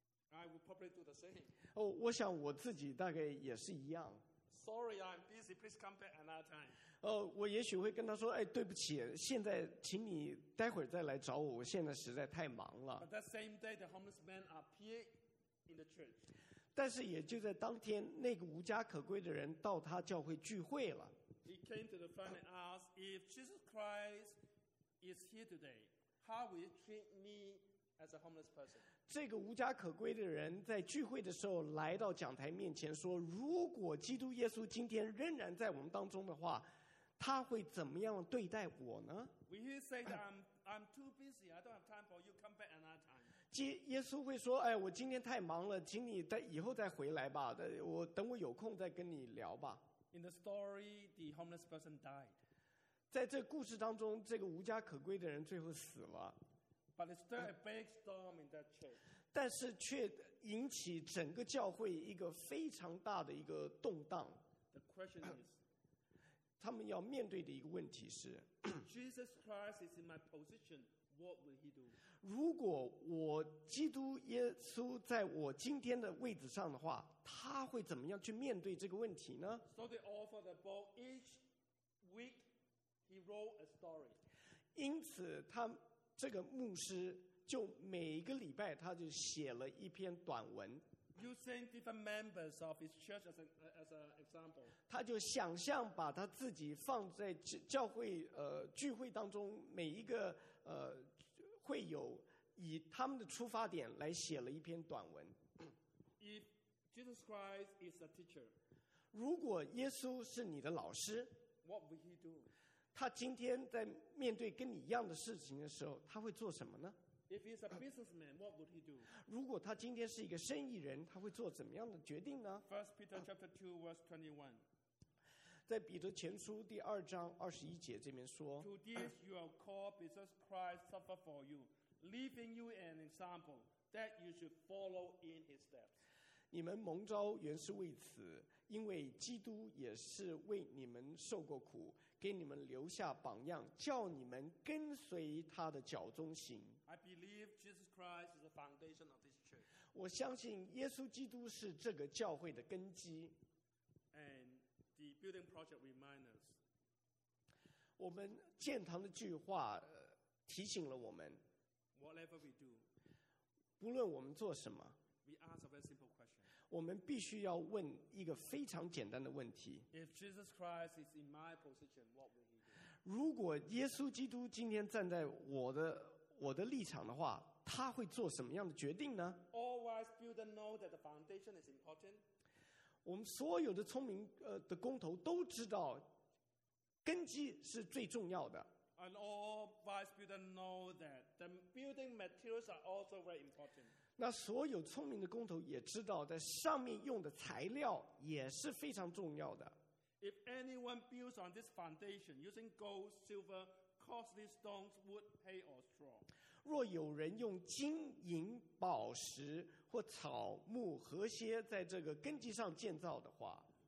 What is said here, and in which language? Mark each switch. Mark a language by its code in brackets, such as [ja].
[en] I would probably do the same. [zh] 我想我自己大概也是一样。 [en] Sorry, I'm busy. Please come back another time. [zh] 我也许会跟他说，哎，对不起，现在请你待会儿再来找我，我现在实在太忙了。 [en] But that same day, the homeless man appeared in the church. [zh] 但是也就在当天，那个无家可归的人到他教会聚会了。 [en] He came to the front and asked if Jesus Christ is here today. How will you treat me as a homeless person? [zh] 这个无家可归的人在聚会的时候来到讲台面前说，如果基督耶稣今天仍然在我们当中的话，他会怎么样对待我呢？ [en] Will he say that I'm too busy, I don't have time for you, come back another time? [zh] 耶稣会说，哎，我今天太忙了，请你以后再回来吧，我等我有空再跟你聊吧。 [en] In the story, the homeless person died. [zh] 在这故事当中，这个无家可归的人最后死了。 [en] But it stirred a big storm in that church. [zh] 但是却引起整个教会一个非常大的一个动荡。 [en] The question is, [zh] 他们要面对的一个问题是， [en] Jesus Christ is in my position. What will he do? [zh] 如果我基督耶稣在我今天的位置上的话，他会怎么样去面对这个问题呢？ [en] So they offered the boy each week. He wrote a story. [zh] 因此他。这个牧师就每一个礼拜他就写了一篇短文。 [en] Using different members of his church as an example. [zh] 他就想象把他自己放在教会聚会当中每一个会友以他们的出发点来写了一篇短文。 [en] If Jesus Christ is a teacher, [zh] 如果耶稣是你的老师 [en] ,What will he do? [zh] 他今天在面对跟你一样的事情的时候，他会做什么呢？ [en] If he's a businessman, what would he do? [zh] 如果他今天是一个生意人，他会做怎么样的决定呢？ [en] 1 Peter chapter 2 verse 21. [zh] 在彼得前书第二章二十一节这边说， [en] To this you are called because Christ suffered for you, leaving you an example that you should follow in his steps. [zh] 你们蒙召原是为此，因为基督也是为你们受过苦，给你们留下榜样，叫你们跟随他的脚中行。 [en] I believe Jesus Christ is the foundation of this church. [zh] 我相信耶稣基督是这个教会的根基。 [en] And the building project reminds us. [zh] 我们建堂的计划提醒了我们。 [en] Whatever we do, [zh] 不论我们做什么。 [en] We ask a very simple question. [zh] 我们必须要问一个非常简单的问题。 [en] If Jesus Christ is in my position, what will he do? [zh] 如果耶稣基督今天站在我的立场的话，他会做什么样的决定呢？ [en] All wise builders know that the foundation is important. [zh] 我们所有的聪明的工头都知道根基是最重要的。 [en] And all wise people know that the building materials are also very important. [zh] 那所有聪明的工头也知道在上面用的材料也是非常重要的。 [en] If anyone builds on this foundation using gold, silver, costly stones, wood, hay, or straw. [zh] 若有人用金银宝石或草木河蝎在这个根基上建造的话。